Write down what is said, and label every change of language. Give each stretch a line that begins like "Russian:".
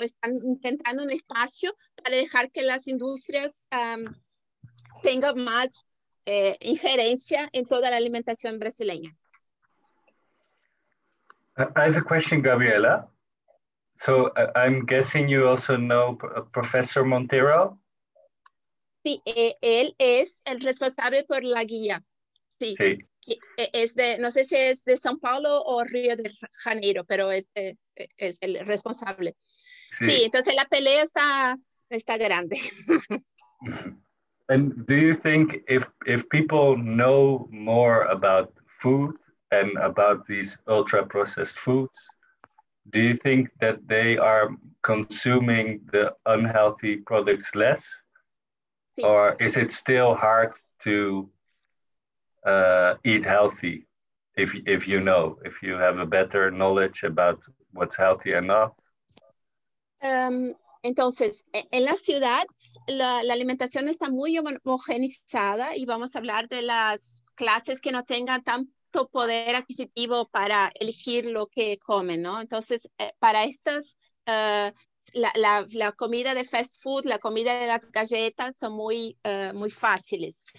Spanish: Están intentando un espacio para dejar que las industrias tengan más injerencia en toda la alimentación brasileña.
English: I have a question, Gabriela. So I'm guessing you also know Professor Montero?
Spanish: Sí, él es el responsable por la guía. Sí. Sí. Es de, no sé si es de São Paulo o Río de Janeiro, pero es el responsable. Sí, entonces la pelea está grande.
English: And do you think if people know more about food and about these ultra-processed foods, do you think that they are consuming the unhealthy products less?
Spanish: Sí.
English: Or is it still hard to eat healthy, if you know, if you have a better knowledge about what's healthy and not?
Spanish: Entonces, en las ciudades, la alimentación está muy homogenizada y vamos a hablar de las clases que no tengan tanto poder adquisitivo para elegir lo que comen, ¿no? Entonces, para estas, la comida de fast food, la comida de las galletas son muy, muy fáciles.